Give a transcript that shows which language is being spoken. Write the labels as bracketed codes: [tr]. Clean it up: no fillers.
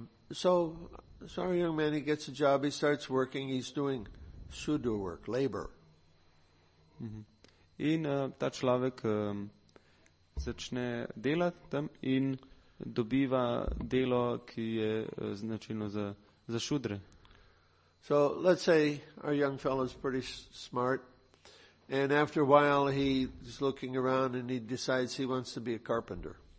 [en] So our young man, he gets a job, he starts working, he's doing sudo work, labor. Mm-hmm. [sl] In ta človek začne delati tam in dobiva delo, ki je značilno za šudre. [en] So let's say our young fellow is pretty smart. And after a while, he's looking around and he decides he wants to be a carpenter.